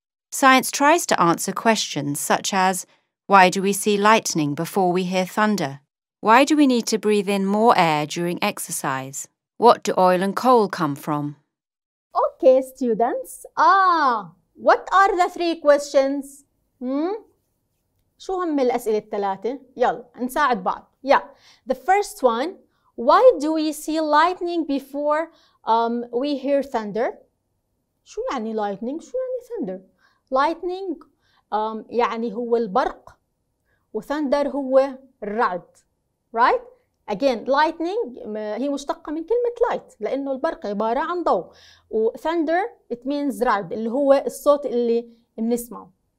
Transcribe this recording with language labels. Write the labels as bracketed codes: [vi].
[en] Science tries to answer questions such as, why do we see lightning before we hear thunder? Why do we need to breathe in more air during exercise? What do oil and coal come from? Okay, students. What are the three questions? [ar] شو هم الأسئلة الثلاثة؟ يلا نساعد بعض. [en] Yeah. The first one, why do we see lightning before we hear thunder? [ar] شو يعني lightning؟ شو يعني thunder؟ Lightning يعني هو البرق، وثندر هو الرعد. [en] Right? [ar] Again, lightning هي مشتقة من كلمة light، لأنه البرق عبارة عن ضوء، وثندر [en] it means [ar] رعد، اللي هو الصوت اللي بنسمعه.